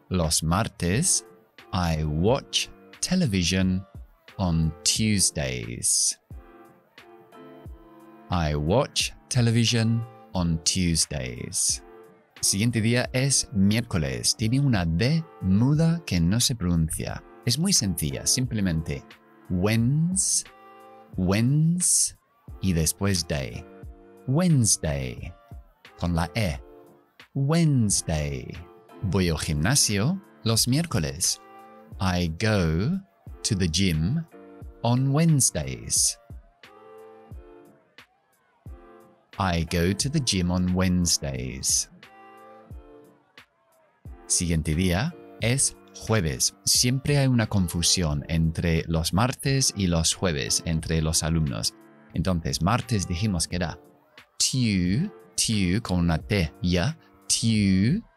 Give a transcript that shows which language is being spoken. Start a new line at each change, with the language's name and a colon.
Spanish: Los martes,
English: I watch television on Tuesdays. I watch television on Tuesdays.
Spanish: Siguiente día es miércoles. Tiene una D muda que no se pronuncia. Es muy sencilla, simplemente Wednesday, Wednesday y después day. Wednesday con la E. Wednesday. Voy al gimnasio los miércoles.
English: I go to the gym on Wednesdays. I go to the gym on Wednesdays.
Spanish: Siguiente día es jueves. Siempre hay una confusión entre los martes y los jueves entre los alumnos. Entonces, martes dijimos que era Tue con una T ya. Tue.